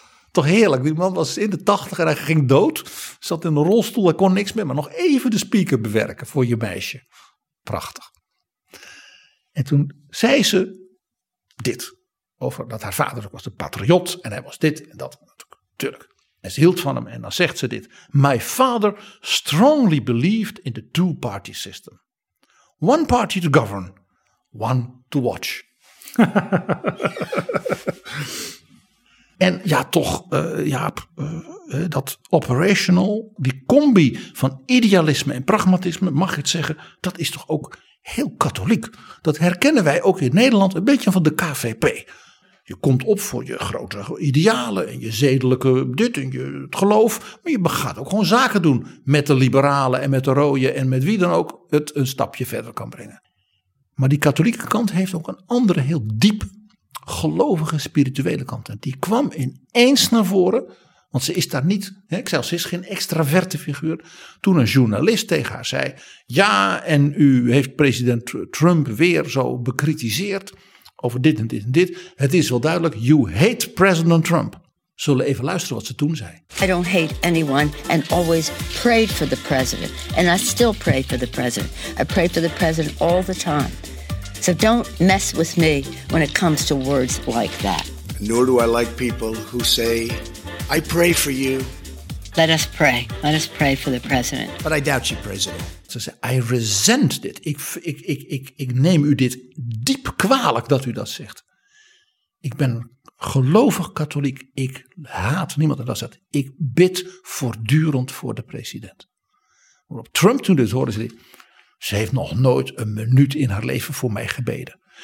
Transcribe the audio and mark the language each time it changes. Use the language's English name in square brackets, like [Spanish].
[Dutch] Toch heerlijk, die man was in de 80 en hij ging dood. Zat in een rolstoel, hij kon niks meer, maar nog even de speaker bewerken voor je meisje. Prachtig. En toen zei ze dit, over dat haar vader was een patriot en hij was dit en dat. Natuurlijk. En ze hield van hem en dan zegt ze dit. [English] My father strongly believed in the two-party system. One party to govern, one to watch. [Dutch] En ja, toch, Jaap, dat operational, die combi van idealisme en pragmatisme, mag ik het zeggen, dat is toch ook heel katholiek. Dat herkennen wij ook in Nederland een beetje van de KVP. Je komt op voor je grote idealen en je zedelijke dit en je het geloof. Maar je gaat ook gewoon zaken doen met de liberalen en met de rode en met wie dan ook het een stapje verder kan brengen. Maar die katholieke kant heeft ook een andere heel diep gelovige spirituele kant. En die kwam ineens naar voren, want ze is daar niet, ik zei, ze is geen extraverte figuur. Toen een journalist tegen haar zei, ja en u heeft president Trump weer zo bekritiseerd over dit en dit en dit. Het is wel duidelijk, [English] you hate President Trump. [Dutch] Zullen even luisteren wat ze toen zei. [English] I don't hate anyone and always prayed for the president. And I still pray for the president. I pray for the president all the time. So don't mess with me when it comes to words like that. Nor do I like people who say, I pray for you. Let us pray. Let us pray for the president. But I doubt you, president. [Dutch] Ze zei, [English] I resent [Dutch] dit. Ik neem u dit diep kwalijk dat u dat zegt. Ik ben gelovig katholiek. Ik haat niemand en dat zegt. Ik bid voortdurend voor de president. Waarop Trump toen dit hoorde, zei, ze heeft nog nooit een minuut in haar leven voor mij gebeden.